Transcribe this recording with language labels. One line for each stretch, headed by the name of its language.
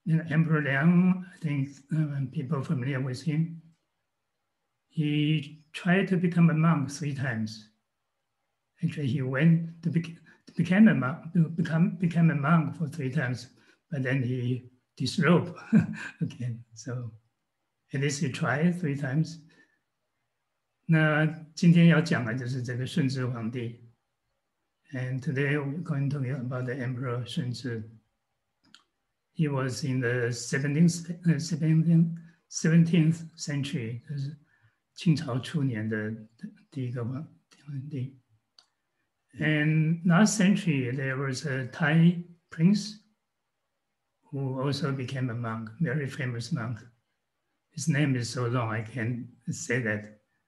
English: Emperor Liang, I think people familiar with him. He tried to become a monk three times. Actually, he went to became a monk for three times, but then he disrobed again. So at least he tried three times.
Chinese: 那今天要讲的就是这个顺治皇帝。
English: And today we're going to talk about the Emperor Shun. He was in the 17th century.
Chinese: 清朝初年的第一个皇帝。
English: And last century, there was a Thai prince who also became a monk, very famous monk. His name is so long, I can't say that.